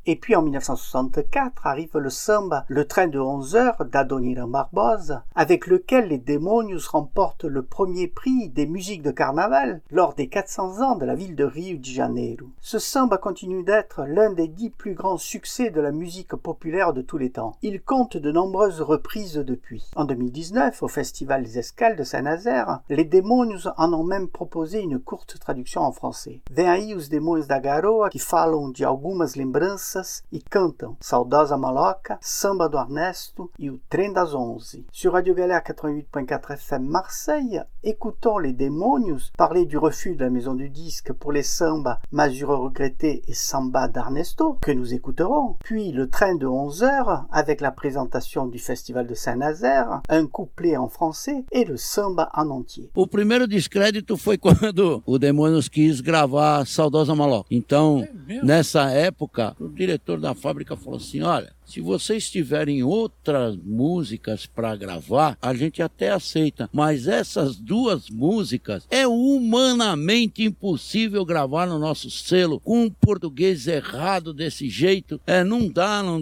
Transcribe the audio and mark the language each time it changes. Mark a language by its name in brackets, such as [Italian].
[French] Et puis en 1964 arrive le samba Le train de 11 heures d'Adoniram Barbosa, avec lequel les Demônios remportent le premier prix des musique de carnaval lors des 400 ans de la ville de Rio de Janeiro. Ce samba continue d'être l'un des 10 plus grands succès de la musique populaire de tous les temps. Il compte de nombreuses reprises depuis. En 2019, au Festival des Escales de Saint-Nazaire, les Demônios en ont même proposé une courte traduction en français. [Portuguese] Vem aí os Demônios da Garoa que falam de algumas lembranças e cantam Saudosa Maloca, Samba do Ernesto e o Trem das Onze. [French] Sur Radio Galère 88.4 FM Marseille, écoutons les Demônios parler du refus de la maison du disque pour les sambas Masure regretté et Samba d'Ernesto que nous écouterons, puis le train de 11 heures avec la présentation du festival de Saint-Nazaire, un couplet en français et le samba en entier. [Portuguese] O primeiro descrédito foi quando o Demônios quis gravar Saudosa Maloca. Então, nessa época, o diretor da fábrica falou assim: olha, se vocês tiverem outras músicas para gravar, a gente até aceita. Mas essas 2 músicas é humanamente impossível gravar no nosso selo com um português errado desse jeito. É, não dá.